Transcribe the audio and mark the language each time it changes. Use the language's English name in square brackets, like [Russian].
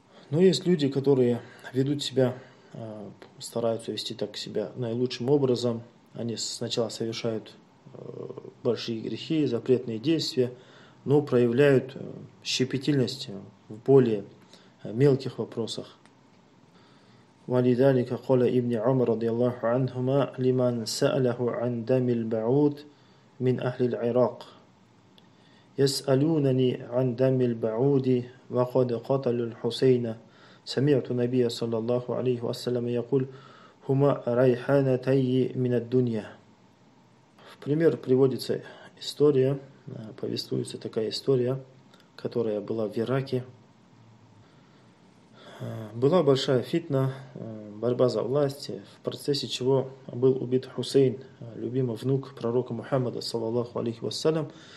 [Russian] Но есть люди, которые ведут себя, стараются вести так себя наилучшим образом. Они сначала совершают большие грехи, запретные действия, но проявляют щепетильность в более мелких вопросах. [Arabic] وَلِذَلِكَ قَالَ إِبْنِ عُمَرَ رَضِيَ اللَّهُ عَنْهُمَا لِمَنْ سَأَلَهُ عَنْ دَمِ الْبَعُوثِ مِنْ أَهْلِ الْعِرَاقِ يسألونني عن دم البعوض وقد قتل الحسين سمعت النبي صلى الله عليه وسلم يقول هما ريحانتي من الدنيا. [Russian] В пример приводится история, повествуется такая история, которая была в Ираке. Была большая фитна, борьба за власть, в процессе чего был убит Хусейн, любимый внук пророка Мухаммада [Arabic] صلى الله عليه وسلم.